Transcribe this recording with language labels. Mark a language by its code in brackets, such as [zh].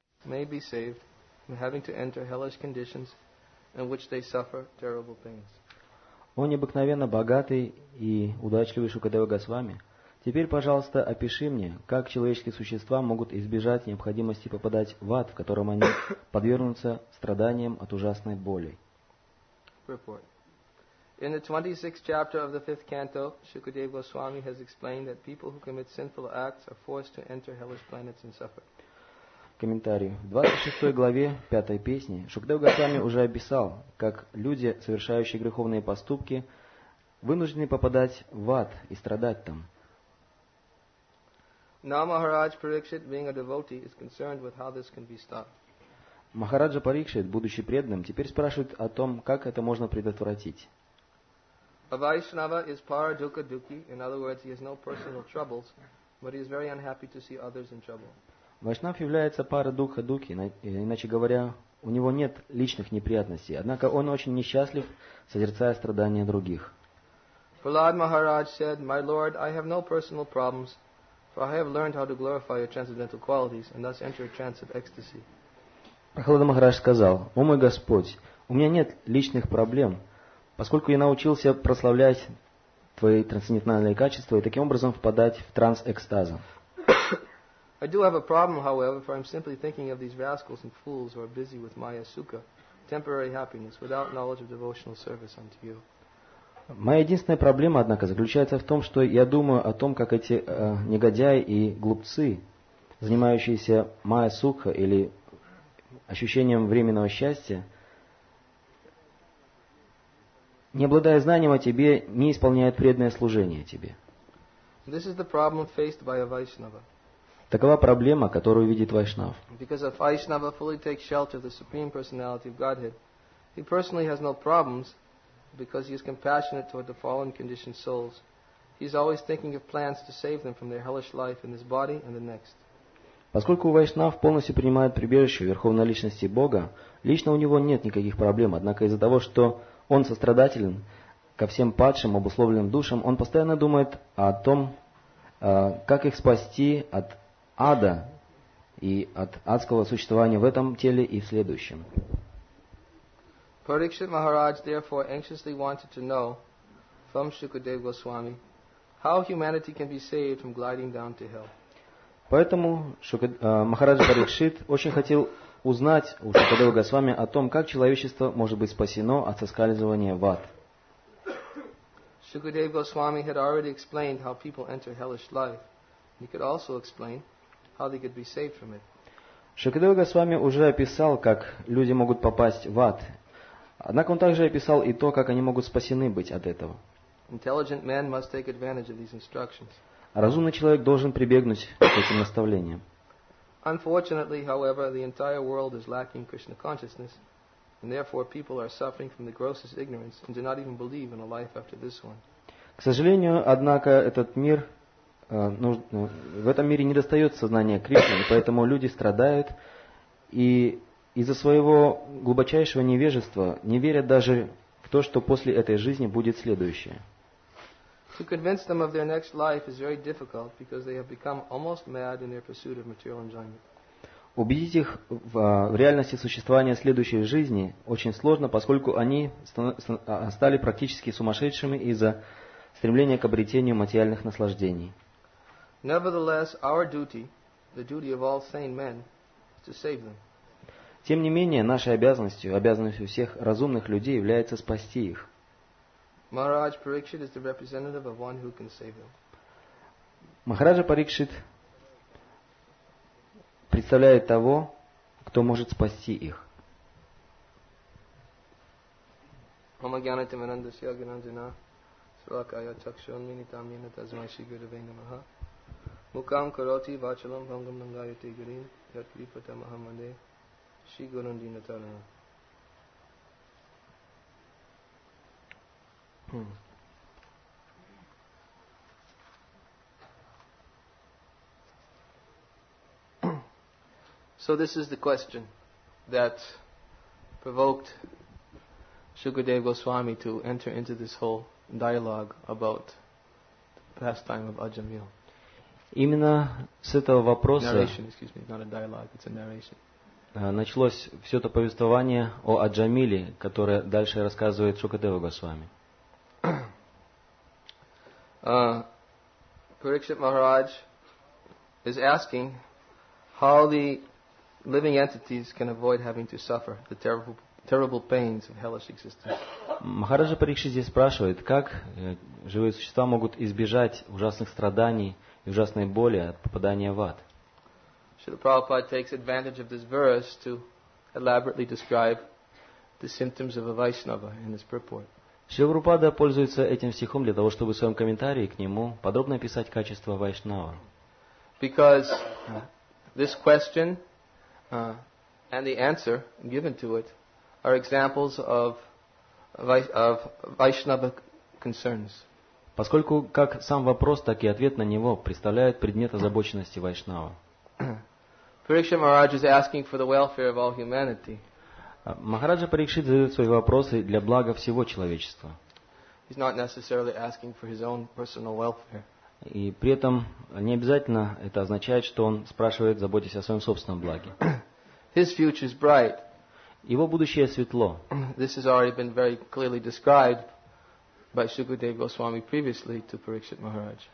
[en] may be saved from having to enter hellish conditions in which they suffer terrible pains. [ru] Он необыкновенно богатый и удачливый Шукадева Госвами. Теперь, пожалуйста, опиши мне, как человеческие существа могут избежать необходимости попадать в ад, в котором они подвергнутся страданиям от ужасной боли. [en] Report. In the 26th chapter of the 5th canto, Shukadeva Goswami has explained that people who commit sinful acts are forced to enter hellish planets and suffer. [ru] Комментарий. В 26 главе 5 песни Шукадева Госвами уже описал, как люди, совершающие греховные поступки, вынуждены попадать в ад и страдать там. [en] Now Maharaj Parikshit, being a devotee, is concerned with how this can be stopped. [ru] Махараджа Парикшит, будучи преданным, теперь спрашивает о том, как это можно предотвратить. [en] A Vaishnava is para dukkha dukkhi, in other words, he has no personal troubles, but he is very unhappy to see others in trouble. [ru] Вайшнав является пара духа духи, иначе говоря, у него нет личных неприятностей, однако он очень несчастлив, созерцая страдания других. [en] Prahlad Maharaj said, My Lord, I have no personal problems, for I have learned how to glorify your transcendental qualities and thus enter a trance of ecstasy. [ru] Прахлада Махарадж сказал, О мой Господь, у меня нет личных проблем, поскольку я научился прославлять твои трансцендентальные качества и таким образом впадать в транс экстаза. [en] I do have a problem, however, for I'm simply thinking of these rascals and fools who are busy with Maya Sukha, temporary happiness, without knowledge of devotional service unto you. [ru] Моя единственная проблема, однако, заключается в том, что я думаю о том, как эти негодяи и глупцы, занимающиеся Maya Sukha или ощущением временного счастья, не обладая знанием о тебе, не исполняют преданное служение тебе. [en] This is the problem faced by a Vaishnava. [ru] Такова проблема, которую видит Вайшнав. [en] Because if Vaishnava fully takes shelter of the Supreme Personality of Godhead, he personally has no problems because he is compassionate toward the fallen conditioned souls. He is always thinking of plans to save them from their hellish life in this body and the next. [ru] Поскольку Вайшнав полностью принимает прибежище Верховной Личности Бога, лично у него нет никаких проблем, однако из-за того, что он сострадателен ко всем падшим, обусловленным душам, он постоянно думает о том, как их спасти от ада и от адского существования в этом теле и в следующем. [en] Parikshit Maharaj therefore anxiously wanted to know from Shukadeva Goswami how humanity can be saved from gliding down to hell. [ru] Поэтому Махарадж Парикшит очень хотел узнать у Шукадева Госвами о том, как человечество может быть спасено от соскальзывания в ад. [en] Shukadeva Goswami had already explained how people enter hellish life. He could also explain how they could be saved from it. [ru] Шукадева Госвами уже описал, как люди могут попасть в ад. Однако он также описал и то, как они могут спасены быть от этого. [en] Intelligent man must take advantage of these instructions. [ru] Разумный человек должен прибегнуть к этим наставлениям. [en] Unfortunately, however, the entire world is lacking Krishna consciousness. And therefore, people are suffering from the grossest ignorance and do not even believe in a life after this one. [ru] К сожалению, однако, этот мир, в этом мире недостает сознания Кришны, и поэтому люди страдают и из-за своего глубочайшего невежества не верят даже в то, что после этой жизни будет следующее. [en] To convince them of their next life is very difficult because they have become almost mad in their pursuit of material enjoyment. [ru] Убедить их в реальности существования следующей жизни очень сложно, поскольку они стали практически сумасшедшими из-за стремления к обретению материальных наслаждений. [en] Nevertheless, our duty, the duty of all sane men, is to save them. [ru] Тем не менее, нашей обязанностью, обязанностью всех разумных людей является спасти их. [en] Maharaj Parikshit is the representative of one who can save them. [ru] Махараджа Парикшит представляет того, кто может спасти их. [sa] Мукам короти вачалам бхангам нангайоте гирин ят крипата махамаде Шри Гурундина Тарана. [en] So this is the question that provoked Shukadeva Goswami to enter into this whole dialogue about the pastime of Ajamil. [ru] Именно с этого вопроса... [en] Narration, excuse me, not a dialogue, it's a narration. [ru] началось все это повествование о Аджамиле, которое дальше рассказывает Шукадева Госвами. [en] Parikshit Maharaj is asking how the living entities can avoid having to suffer the terrible pains of hellish existence. [ru] Махараджа Парикшит здесь спрашивает, как живые существа могут избежать ужасных страданий и ужасной боли от попадания в ад. [en] Шрила Прабхупада takes advantage of this verse to elaborately describe the symptoms of a Vaishnava in his purport. [ru] Шрила Прабхупада пользуется этим стихом для того, чтобы в своем комментарии к нему подробно описать качество Вайшнава. [en] Because this question and the answer given to it are examples of Vaishnava concerns. [ru] Поскольку как сам вопрос, так и ответ на него представляют предмет озабоченности Вайшнава. [en] Parikshit Maharaj is asking for the welfare of all humanity. [ru] Махараджа Парикшит задает свои вопросы для блага всего человечества. [en] He's not necessarily asking for his own personal welfare. [ru] И при этом не обязательно это означает, что он спрашивает, заботясь о своем собственном благе. [en] His future is bright. [ru] Его будущее светло. [en] This has already been very clearly described by Shukadeva Goswami previously to Parikshit Maharaj.